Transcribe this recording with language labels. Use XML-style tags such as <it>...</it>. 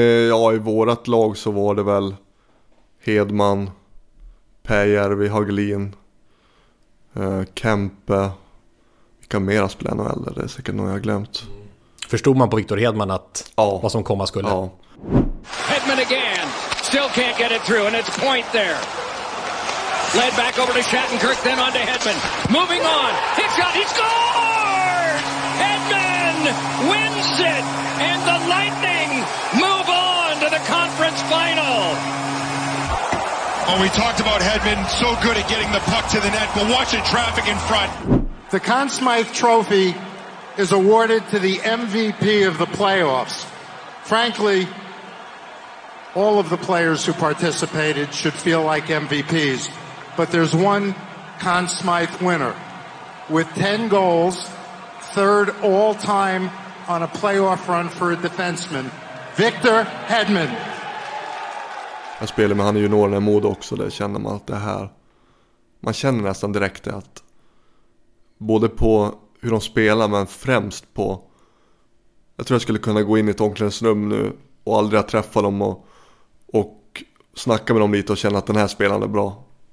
<sv>Ja, i vårat lag så var det väl Hedman, Per Järvi, Hagelin, Kempe. Vilka mera spelare än äldre? Det är säkert någon jag har glömt. Förstod man på Viktor Hedman att vad som komma skulle? Ja. Hedman igen!</sv> <en>Still can't get it through and it's point there. Led back over to Shattenkirk, then on to Hedman. Moving on. Hit shot. He scores! Hedman wins it. And the Lightning move on to the conference final. Well, we talked about Hedman so good at getting the puck to the net, but watch the traffic in front. The Conn Smythe Trophy is awarded to the MVP of the playoffs. Frankly, all of the players who participated should feel like MVPs. But there's one Conn Smythe winner with 10 goals, third all-time on a playoff run for a defenseman, Victor Hedman.</en> <sv>Jag spelade med han i juniorerna i Modo också. Där känner man att det här... Man känner nästan direkt det att... Både på hur de spelar, men främst på... Jag tror jag skulle kunna gå in i ett omklädningsrum nu och aldrig ha träffat dem och snacka med dem lite och känna att den här spelaren är bra.</sv>